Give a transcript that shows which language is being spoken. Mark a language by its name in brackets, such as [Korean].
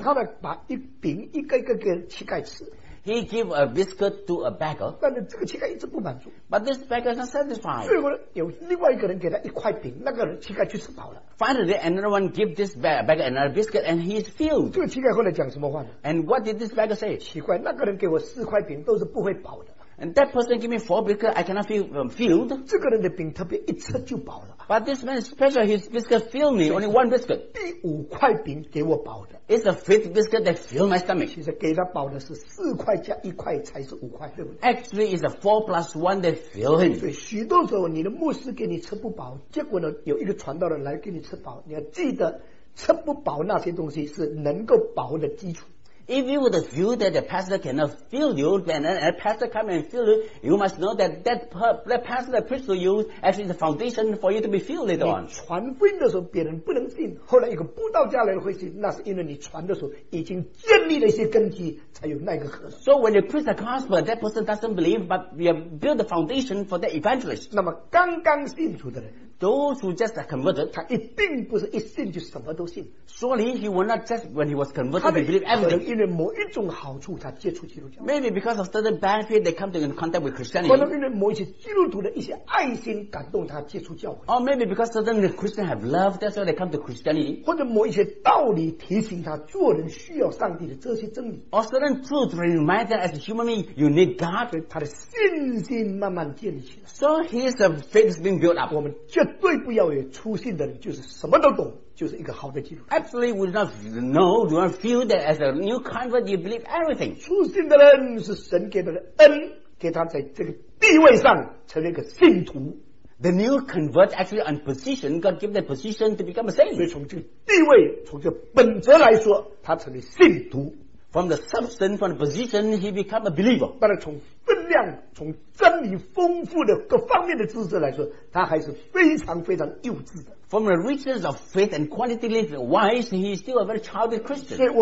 [Chinese] 他把一饼一个一个给乞丐吃, [English] he gave a biscuit to a beggar, but this beggar is not satisfied. [Chinese] 最后有另外一个人给他一块饼, [English] finally another one gave this beggar another biscuit and he is filled. [Chinese] 这个乞丐后来讲什么话呢? [English] And what did this beggar say? [Chinese] 奇怪,那个人给我四块饼, [English] and that person gave me four biscuits, I cannot feel filled. [Chinese] 这个人的饼特别一吃就饱了, [English] but this man is special, his biscuit filled me, only one biscuit. [Chinese] 第五块饼给我饱的, [English] it's the fifth biscuit that filled my stomach. [Chinese] 其实给他饱的是四块加一块才是五块, [English] actually it's a four plus one that filled him. [Chinese] 许多时候你的牧师给你吃不饱, 结果呢, 有一个传道人来给你吃饱, 你要记得, 吃不饱那些东西是能够饱的基础。 [English] If you would feel that the pastor cannot fill you, then a pastor come and fill you, you must know that that pastor that preached to you actually is the foundation for you to be filled later on. [Chinese] 你传福音的时候别人不能信, 后来一个布道家来会信, 那是因为你传的时候已经建立了一些根基, 才有那个核心。 [English] So when you preach the gospel, that person doesn't believe, but you have built the foundation for the evangelist. [Chinese] 那么刚刚信主的人, [English] those who just are converted, [Chinese] 他一定不是一信就什么都信。 [English] Surely he will not just, when he was converted, he believed everything. [Chinese] 因为某一种好处, 他接触基督教。 [English] Maybe because of certain benefit, they come in contact with Christianity. [Chinese] 可能因为某一些基督徒的一些爱心, 感动他接触教会。 [English] Or maybe because certain Christians have love, that's why they come to Christianity. [Chinese] 或者某一些道理提醒他, 做人需要上帝的这些真理。 [English] Or certain truth remind them, as a human being, you need God. [Chinese] 他的信心慢慢建立起来。 [English] So his faith has been built up. [Chinese] 绝对不要有初信的人就是什么都懂, 就是一个好的基督徒。 [English] Absolutely, we do not know, do not feel that as a new convert you believe everything. [Chinese] 初信的人是神给他的恩, 给他在这个地位上成为一个信徒。 [English] The new convert actually on position, God gave that position to become a saint. [Chinese] 所以从这个地位, 从这个本质来说, 他成为信徒。 [English] From the substance, from the position, he became a believer. [Chinese] 但是从分量, 从真理丰富的各方面的知识来说, 他还是非常非常幼稚的。 [English] From the richness of faith and quality living, wise, he is still a very childish Christian.